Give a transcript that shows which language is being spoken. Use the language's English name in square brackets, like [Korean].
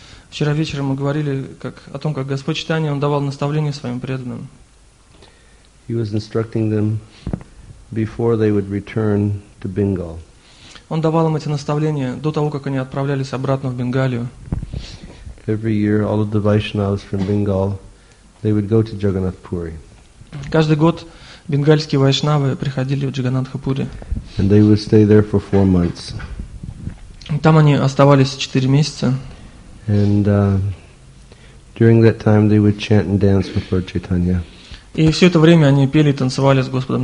[Russian] Вчера вечером мы говорили как о том, как Господь Чайтанья он давал наставления своим преданным. [English] He was instructing them before they would return to Bengal. [Russian] Он давал им эти наставления до того, как они отправлялись обратно в Бенгалию. [English] Every year, all of the Vaishnavas from Bengal, they would go to Jagannath Puri. [Russian] Каждый год бенгальские вайшнавы приходили в Джаганатхапури. [English] And they would stay there for 4 months. [Russian] Там они оставались 4 месяца. [English] And during that time, they would chant and dance with Lord Chaitanya. [Russian] И все это время они пели и танцевали с Господом